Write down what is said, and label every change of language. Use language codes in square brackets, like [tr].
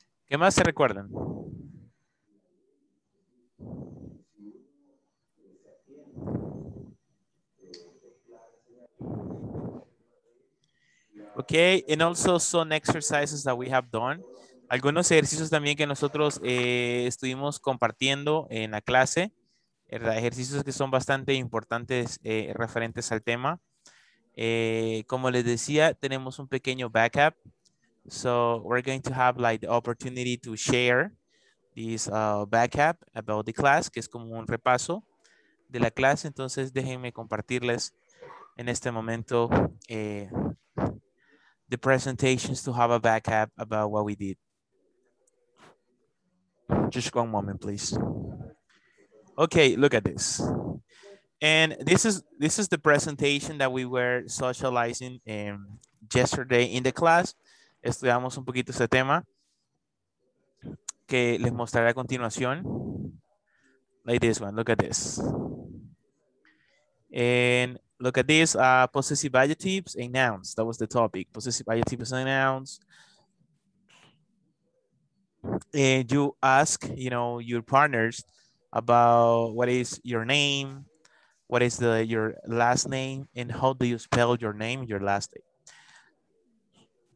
[es] ¿Qué más se recuerdan? [en] Okay, and also some exercises that we have done. [es] Algunos ejercicios también que nosotros estuvimos compartiendo en la clase, ¿verdad? Ejercicios que son bastante importantes referentes al tema. Como les decía, tenemos un pequeño backup. [en] So we're going to have like the opportunity to share this backup about the class, [es] que es como un repaso de la clase. Entonces déjenme compartirles en este momento [en] the presentations to have a backup about what we did. Just one moment, please. Okay, look at this. And this is the presentation that we were socializing yesterday in the class. [es] Estudiamos un poquito ese tema que les mostraré a continuación. [en] Like this one, look at this. And look at this, possessive adjectives and nouns. That was the topic, possessive adjectives and nouns. And you ask, you know, your partners, about what is your name, what is your last name, and how do you spell your name, your last name.